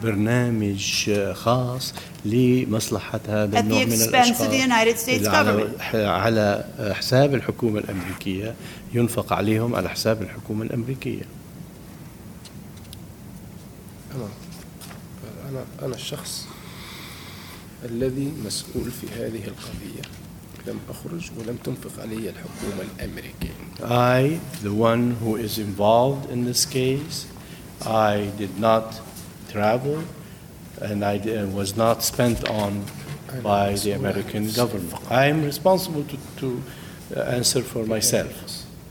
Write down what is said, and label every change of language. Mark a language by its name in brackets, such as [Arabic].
[English] the expense of the United States government. [Arabic] على حساب الحكومة الأمريكية ينفق عليهم على حساب الحكومة الأمريكية. أنا الشخص الذي مسؤول في هذه القضية. لم أخرج ولم تنفق علي الحكومة الأمريكية. [English] I, the one who is involved in this case, I did not travel. and I was not spent on by the American government. I am responsible to answer for myself.